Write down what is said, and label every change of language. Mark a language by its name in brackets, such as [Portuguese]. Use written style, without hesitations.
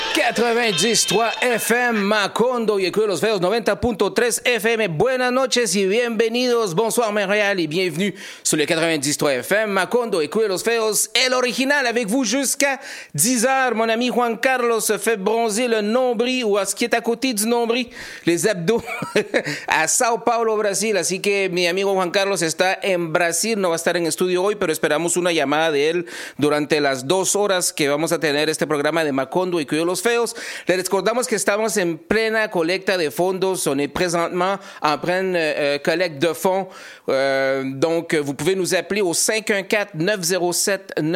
[Spanish] FM Macondo y el Club de los Feos 90.3 FM. Buenas noches y bienvenidos. [French] Bonsoir Montréal y bienvenue sur le 90.3 FM Macondo y Club de los Feos. El original avec vous jusqu'à 10h. Mon ami Juan Carlos se fait bronzer le nombril ou à ce qui est à côté du nombril, les abdos à Sao Paulo, Brasil. [Spanish] Así que mi amigo Juan Carlos está en Brasil. No va a estar en estudio hoy, pero esperamos una llamada de él durante las dos horas que vamos a tener este programa de Macondo y Club de los Feos. Les recordamos que estamos en plena colecta de fondos. [French] On est présentement en pleine collecte de fonds. Donc, vous pouvez nous appeler au 514-907-9.